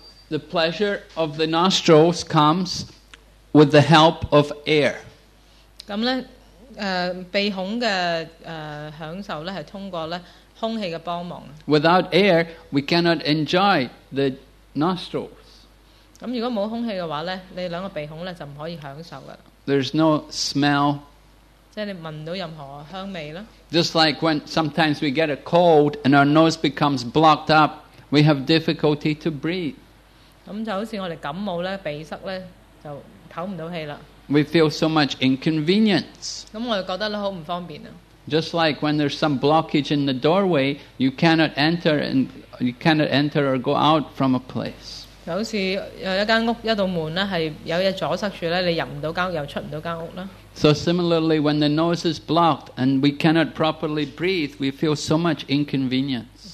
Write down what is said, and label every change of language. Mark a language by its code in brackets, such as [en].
[en] The pleasure of the nostrils comes with the help of air. [yue] 咁咧，鼻孔嘅享受咧，系通过咧空气嘅帮忙。 [en] Without air, we cannot enjoy the nostrils. [yue] 咁如果冇空气嘅话咧，你两个鼻孔咧就唔可以享受噶。 [en] There's no smell. [yue] 即系你闻到任何香味咯。 [en] Just like when sometimes we get a cold and our nose becomes blocked up, we have difficulty to breathe. [yue] 咁就好似我哋感冒咧，鼻塞咧就唞唔到气啦。 [en] We feel so much inconvenience. [yue] 咁我哋觉得咧好唔方便啊。 [en] Just like when there's some blockage in the doorway, you cannot enter and you cannot enter or go out from a place. [yue] 就好似有一間屋一道門咧，係有嘢阻塞住咧，你入唔到間屋又出唔到間屋啦。 [en] So similarly, when the nose is blocked and we cannot properly breathe, we feel so much inconvenience.